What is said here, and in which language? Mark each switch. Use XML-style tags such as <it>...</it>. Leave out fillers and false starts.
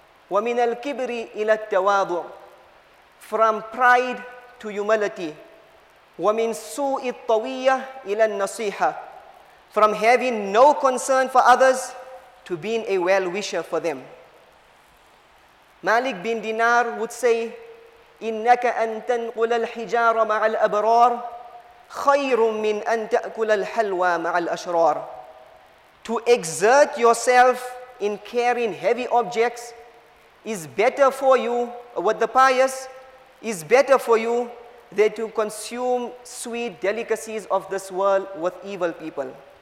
<ar>ومن الكبر إلى التواضع,</ar> <en>from pride to humility.</en> <ar>ومن سوء الطوية إلى النصيحة,</ar> <en>from having no concern for others to being a well-wisher for them. Malik bin Dinar would say,</en> <ar>إنك أن تنقل الحجارة مع الأبرار خير من أن تأكل الحلوى مع الأشرار.</ar> <en>To exert yourself in carrying heavy objects is better for you, what the pious, is better for you than to consume sweet delicacies of this world with evil people.</en>